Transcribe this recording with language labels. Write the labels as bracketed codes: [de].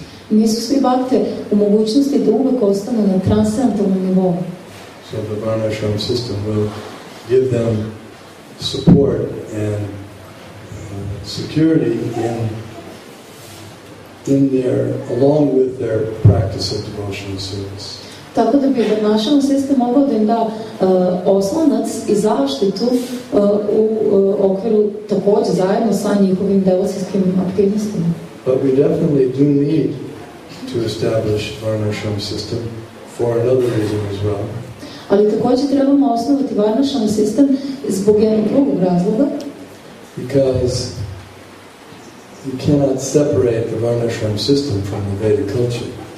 [sr] Nisu svi bhakte u mogućnosti da uvek ostanu na transcendentalnom nivou. [en] So the Varnashram system will give them support and security in their, along with their practice of devotional service. [sr] tako da bi obnašan sistem mogao da im da oslonac i zaštitu u okviru takođe zajedno sa njihovim devotskim aktivnostima. [en] But we definitely do need to establish varnashram system for another reason as well. [sr] Ali takođe trebamo osnovati varnashram sistem zbog jednog drugog razloga. [en] Because you cannot separate the varnashram system from the Vedic culture.